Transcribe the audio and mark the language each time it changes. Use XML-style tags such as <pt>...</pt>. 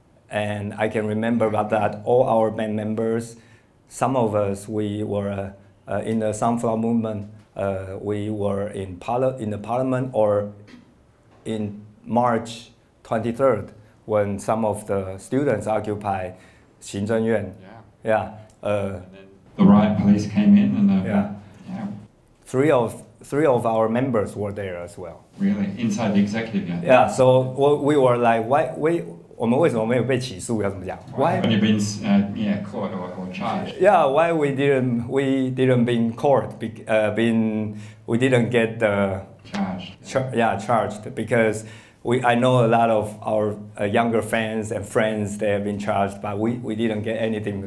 <en>And I can remember about that all our band members, some of us, we were in the Sunflower Movement, we were in the parliament, or in March 23rd, when some of the students occupied 行政院. Yeah. Yeah. And then the riot police came in and the... Three of our members were there as well. Really? Inside the executive, yeah? Yeah, so we were like, why... We,</en> <zh>我们为什么没有被起诉, 要怎么讲?</zh> <en>Why haven't you been caught or charged? Yeah, why we didn't been caught, we didn't get the... Charged. Because I know a lot of our younger fans and friends, they have been charged, but we didn't get anything.</en>